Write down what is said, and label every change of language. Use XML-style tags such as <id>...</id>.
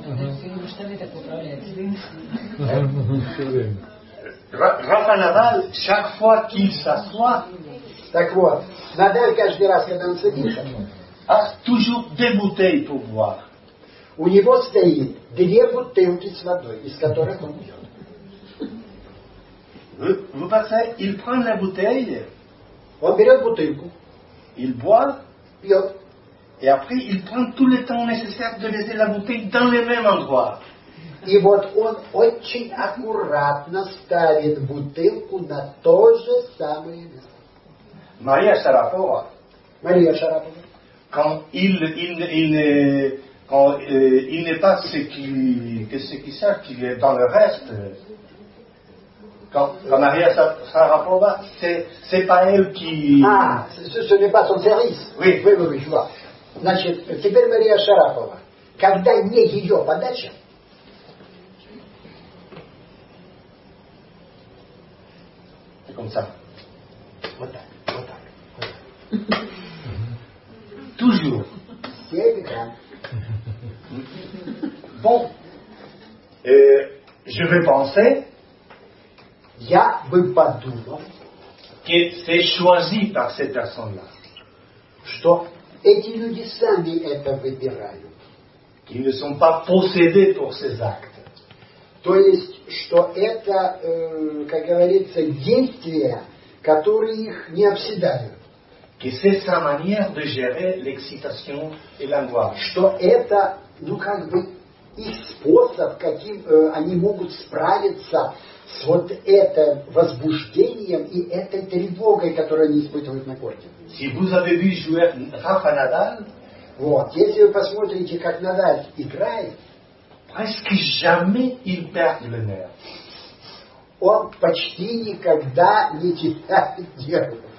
<fr>Рафа Надал, chaque fois qu'il s'assoit,</fr> <ru>так вот, Надаль каждый раз, когда он садится,</ru> <fr>a toujours des bouteilles pour boire.</fr> <ru>У него стоит две бутылки с водой, из которых он пьет. Вы понимаете,</ru> <fr>il prend la bouteille,</fr> <ru>он берет бутылку,</ru> <fr>il boit,</fr> <ru>пьет,</ru> <fr>et après il prend tout le temps nécessaire de laisser la bouteille dans le même endroit.</fr> <ru>И вот он очень аккуратно ставит бутылку на то же самое место. Мария Шарапова. Мария Шарапова.</ru> <fr>Quand il n'est pas ce qui sert, qui est dans le reste. Quand Maria Sharapova, c'est pas elle qui... Ah, ce n'est pas son service. Oui, je vois.</fr> <ru>Значит, теперь Мария Шарапова. Когда не ее подача,</ru> <fr>c'est comme ça.</fr> <ru>Вот так.</ru> <fr>Toujours.</fr> <ru>Всегда.</ru> <fr>Bon, je vais penser que c'est choisi par cette personne-là.</fr> <ru>Что эти люди сами это выбирают.</ru> <fr>Qu'ils ne sont pas possédés pour ces actes.</fr> <ru>То есть, что это, как говорится, действия, которые их не обсидают.</ru> <fr>Que c'est sa manière de gérer l'excitation et l'angoisse.</fr> <ru>Что это, ну как бы, их способ, каким они могут справиться с вот этим возбуждением и этой тревогой, которую они испытывают на корте.</ru> <fr>Si vous avez vu jouer Rafa Nadal,</fr> <ru>вот, если вы посмотрите, как Надаль играет,</ru> <fr>presque jamais il perd le nerf.</fr> <ru>Он почти никогда не теряет нервы.</ru>